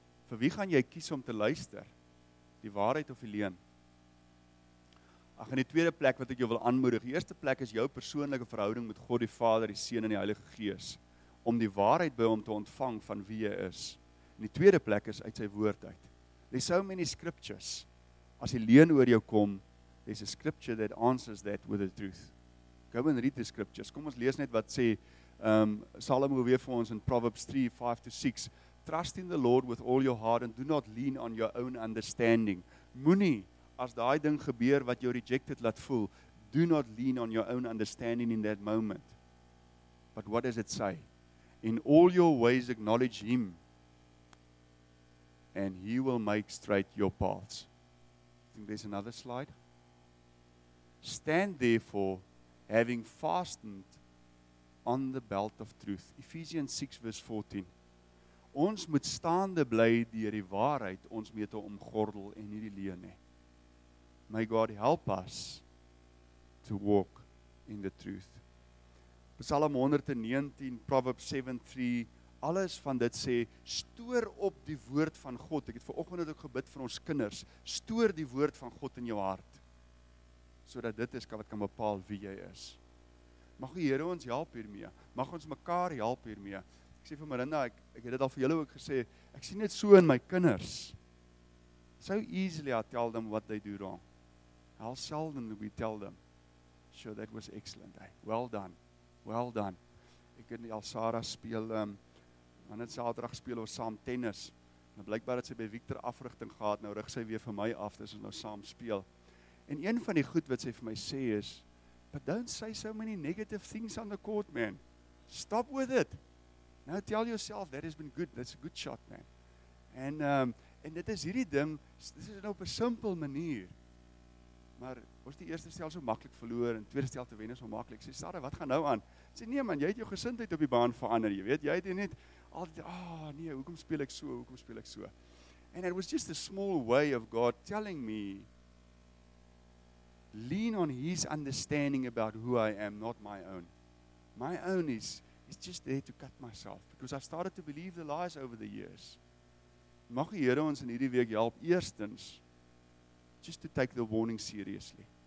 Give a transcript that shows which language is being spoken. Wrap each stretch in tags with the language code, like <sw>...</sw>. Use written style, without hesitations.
<af>Vir wie gaan jy kies om te luister? Die waarheid of die leuen? Ag, in die tweede plek wat ek jou wil aanmoedig, die eerste plek is jou persoonlike verhouding met God die Vader, die Seun en die Heilige Gees, om die waarheid by hom te ontvang van wie jy is. En die tweede plek is uit sy woord uit.</af> <en>There's so many scriptures.</en> <af>As die leuen oor jou kom,</af> <en>there's a scripture that answers that with the truth. Go and read the scriptures.</en> <af>Kom ons lees net wat sê Salomo weer vir ons in Proverbs 3, 5 to 6.</af> <en>Trust in the Lord with all your heart and do not lean on your own understanding.</en> <af>Moenie as daai ding gebeur wat jou rejected laat voel,</af> <en>do not lean on your own understanding in that moment. But what does it say? In all your ways acknowledge him and he will make straight your paths. I think there's another slide. Stand therefore, having fastened on the belt of truth. Ephesians 6 verse 14.</en> <af>Ons moet staande bly deur die waarheid ons mee te omgordel en nie die leuen nie.</af> <en>May God help us to walk in the truth.</en> <af>Psalm 119, Proverbs 7:3. Alles van dit sê, stoor op die woord van God. Ek het vanoggend ook gebid vir ons kinders. Stoor die woord van God in jou hart, sodat dit is wat kan bepaal wie jy is. Mag die Here ons help hiermee. Mag ons mekaar help hiermee. Ek sê vir Marinda, ek het dit al vir julle ook gesê, ek sien dit so in my kinders.</af> <en>So easily I tell them what they do wrong. How seldom we tell them, sure, that was excellent. Hey. Well done. Well done.</en> <af>Ek en Elsara speel, wanneer Saterdag speel ons saam tennis. Nou blykbaar het sy by Victor afrigting gehad, nou rig sy weer vir my af, dis ons nou saam speel. En een van die goed wat sy vir my sê is,</af> <en>but don't say so many negative things on the court, man. Stop with it. Now tell yourself, that has been good. That's a good shot, man.</en> <af>En dit is hierdie ding, dit is nou op 'n simpel manier. Maar ons die eerste stel so maklik verloor, en tweede stel te wen is so maklik. Sê, Sarah, wat gaan nou aan? Sê, nee man, jy het jou gesindheid op die baan verander, jy weet. Jy het net altyd, nee, hoekom speel ek so, hoekom speel ek so?</af> <en>And it was just a small way of God telling me, lean on his understanding about who I am, not my own. My own is just there to cut myself, because I started to believe the lies over the years.</en> <af>Mag die Here ons in hierdie week help, eerstens,</af> <en>just to take the warning seriously.</en>